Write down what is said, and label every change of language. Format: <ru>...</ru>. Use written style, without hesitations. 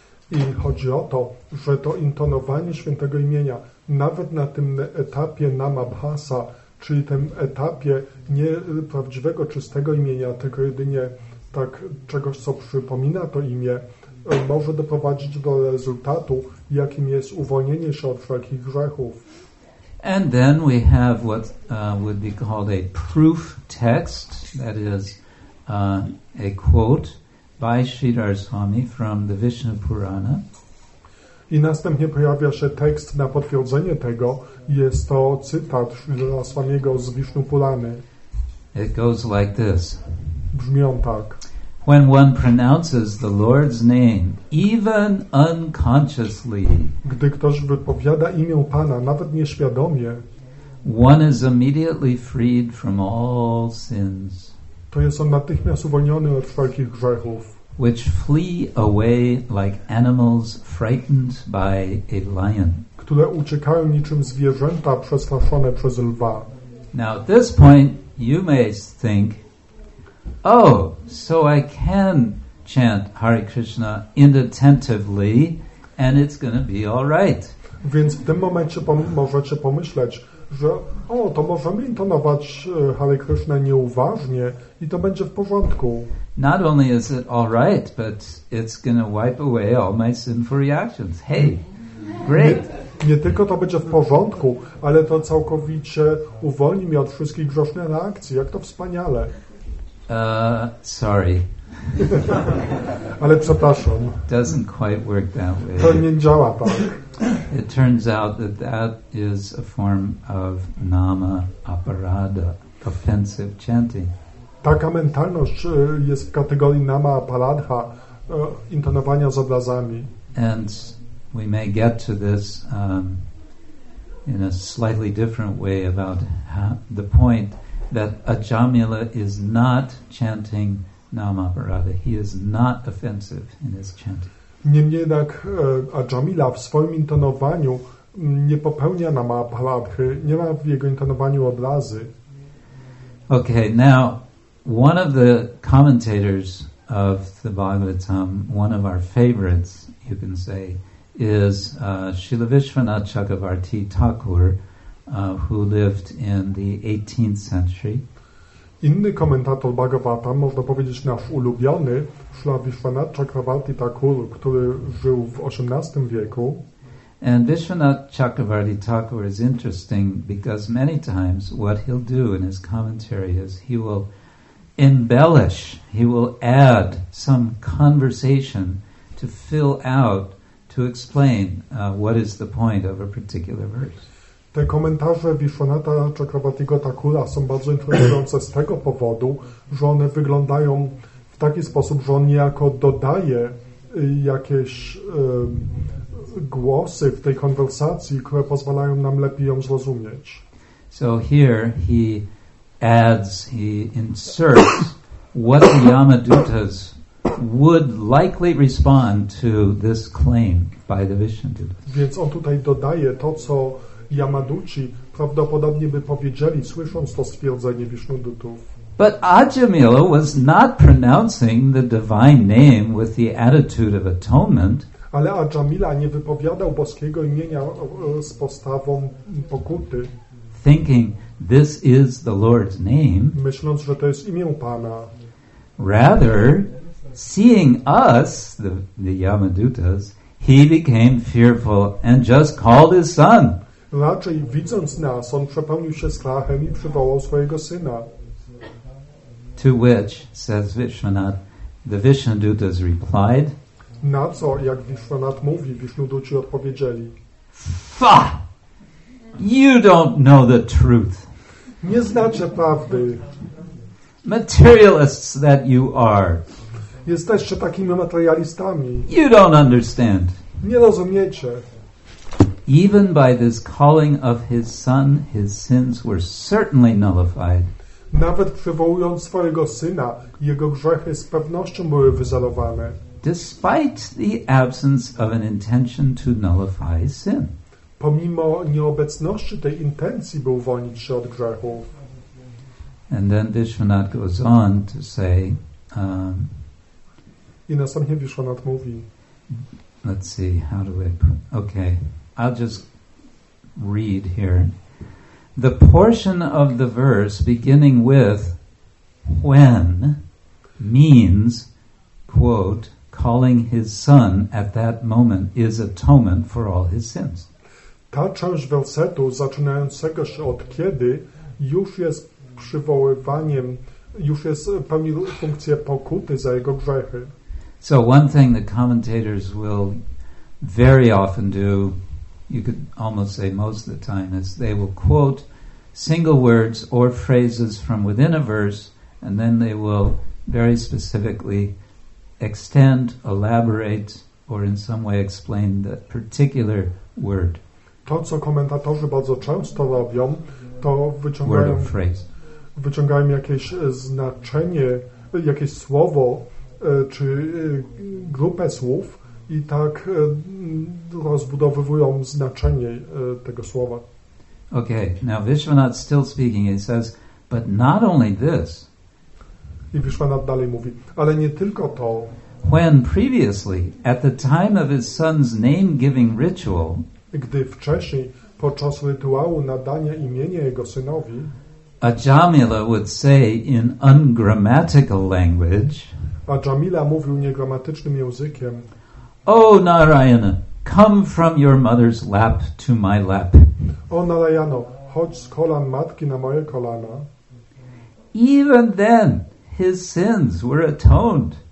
<pl>I chodzi o to, że to intonowanie świętego imienia nawet na tym etapie namabhasa, czyli tym etapie nie prawdziwego czystego imienia, tylko jedynie tak czegoś, co przypomina to imię, może doprowadzić do rezultatu, jakim jest uwolnienie się od wszelkich grzechów.</pl> <en>And then we have what would be called a proof text, that is a quote by Sridhar Swami from the Vishnu Purana.</en> <pl>I następnie pojawia się tekst na potwierdzenie tego. Jest to cytat Sridhara Swamiego z Vishnu Purany.</pl> <en>It goes like this.</en> <pl>Brzmi on tak.</pl> <en>When one pronounces the Lord's name, even unconsciously,</en> <pl>gdy ktoś wypowiada imię Pana, nawet nieświadomie,</pl> <en>one is immediately freed from all sins.</en> <pl>To jest on natychmiast uwolniony od wszelkich grzechów.</pl> <en>Which flee away like animals frightened by a lion.</en> <pl>Które uciekają niczym zwierzęta przestraszone przez lwa.</pl> <en>Now at this point you may think, oh, so I can chant Hare Krishna inattentively and it's going to be all right.</en> <pl>Więc w tym momencie możecie pomyśleć, że o, to możemy intonować Hare Krishna nieuważnie i to będzie w porządku.</pl> <en>Not only is it all right, but it's going to wipe away all my sinful reactions. Hey, great!</en> <pl>Nie tylko to będzie w porządku, ale to całkowicie uwolni mnie od wszystkich grzesznych reakcji. Jak to wspaniale.</pl> <en>Sorry.</en> <pl>Ale przepraszam.</pl> <en>Doesn't quite work that way.</en> <pl>To nie działa tak.</pl> <en>It turns out that that is a form of nama aparada, offensive chanting.</en> <pl>Taka mentalność jest w kategorii nama aparadha, intonowania z obrazami.</pl> <en>And we may get to this in a slightly different way about the point that Ajamila is not chanting nama aparada. He is not offensive in his chanting.</en> <pl>Niemniej jednak Ajamila w swoim intonowaniu nie popełnia namaparadhy, nie ma w jego intonowaniu obrazy.</pl> <en>Okay, now, one of the commentators of the Bhagavatam, one of our favorites, you can say, is Srila Vishwanatha Chakravarti Thakur, who lived in the 18th century.</en> <pl>Inny komentator Bhagavata, można powiedzieć nasz ulubiony, Śrīla Viśvanātha Chakravarti Thakur, który żył w XVIII wieku.</pl> <en>And Viśvanātha Chakravarti Thakur is interesting because many times what he'll do in his commentary is he will embellish, he will add some conversation to fill out, to explain what is the point of a particular verse.</en> <pl>Te komentarze Viśvanātha Chakravartiego Thakura są bardzo interesujące z tego powodu, że one wyglądają w taki sposób, że on niejako dodaje jakieś głosy w tej konwersacji, które pozwalają nam lepiej ją zrozumieć.</pl> <en>So here he adds, he inserts what the Yamadutas would likely respond to this claim by the Viśvanātha.</en> <pl>Więc on tutaj dodaje to, co Yamaduchi prawdopodobnie by powiedzieli, słysząc to stwierdzenie Viśvanādhūtów.</pl> <en>But Ajamila was not pronouncing the divine name with the attitude of atonement.</en> <pl>Ale Ajamila nie wypowiadał boskiego imienia z postawą pokuty.</pl> <en>Thinking this is the Lord's name.</en> <pl>Myśląc, że to jest imię Pana.</pl> <en>Rather, seeing us, the Yamadutas, he became fearful and just called his son.</en> <pl>Raczej widząc nas, on przepełnił się strachem i przywołał swojego syna.</pl> <en>To which, says Viśvanātha, the Viśvanādhūtas replied.</en> <pl>Na co, jak Viśvanātha mówi, Viśvanādhūci odpowiedzieli.</pl> <en>Fa! You don't know the truth.</en> <pl>Nie znacie prawdy.</pl> <en>Materialists that you are.</en> <pl>Jesteście takimi materialistami.</pl> <en>You don't understand.</en> <pl>Nie rozumiecie.</pl> <en>Even by this calling of his son, his sins were certainly nullified.</en> <pl>Nawet przywołując swojego syna, jego grzechy z pewnością były wyzerowane.</pl> <en>Despite the absence of an intention to nullify sin.</en> <pl>Pomimo nieobecności tej intencji, by uwolnić się od grzechów.</pl> <en>And then Viśvanātha goes on to say,</en> <pl>I następnie Viśvanātha mówi,</pl> <en>let's see, how do I put, okay. I'll just read here. The portion of the verse beginning with when means, quote, calling his son at that moment is atonement for all his sins.</en> <pl>Ta część wersetu zaczynającego się od kiedy już jest przywoływaniem, już jest pełni funkcję pokuty za jego grzechy.</pl> <en>So one thing the commentators will very often do, you could almost say most of the time, is they will quote single words or phrases from within a verse, and then they will very specifically extend, elaborate, or in some way explain that particular word.</en> <pl>To, co komentatorzy bardzo często robią, to wyciągają,</pl> <en>word or phrase.</en> <pl>Wyciągają jakieś znaczenie, jakieś słowo, czy grupę słów, i tak rozbudowywują znaczenie tego słowa.</pl> <en>Okay, now Viśvanātha still speaking. He says, but not only this.</en> <pl>I Viśvanātha dalej mówi, ale nie tylko to.</pl> <en>When previously, at the time of his son's name-giving ritual,</en> <pl>gdy wcześniej, podczas rytuału nadania imienia jego synowi,</pl> <en>Ajamila would say in ungrammatical language,</en> <pl>Ajamila mówił niegramatycznym językiem,</pl> <en>O Narayana, come from your mother's lap to my lap.</en> <pl>O Narayano, chodź z kolan matki na moje kolana.</pl> <en>Even then, his sins were atoned.</en>